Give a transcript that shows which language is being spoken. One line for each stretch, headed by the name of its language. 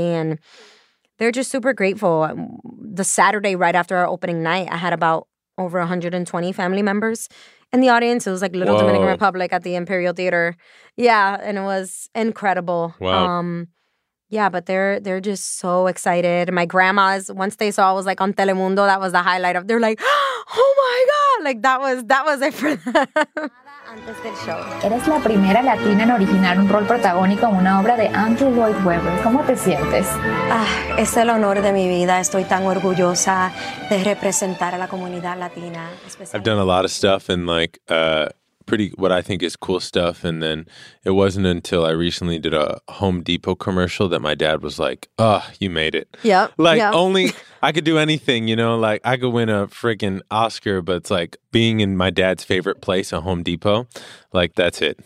English: And they're just super grateful. The Saturday right after our opening night, I had about over 120 family members in the audience. It was like Little Dominican Republic at the Imperial Theater. Yeah, and it was incredible. Wow. Yeah, but they're just so excited. My grandmas, once they saw I was like on Telemundo, that was the highlight of, they're like, oh my God. Like that was it for them.
Spanish: Eres la primera latina en originar un rol protagónico en una obra de Andrew Lloyd Webber. ¿Cómo te sientes? Ah, es el honor de mi vida. Estoy tan orgullosa de representar a la comunidad latina.
English: I've done a lot of stuff and like pretty what I think is cool stuff. And then it wasn't until I recently did a Home Depot commercial that my dad was like, oh, you made it. Yep. Like yep. Only I could do anything, you know, like I could win a freaking Oscar, but it's like being in my dad's favorite place, a Home Depot, like that's it.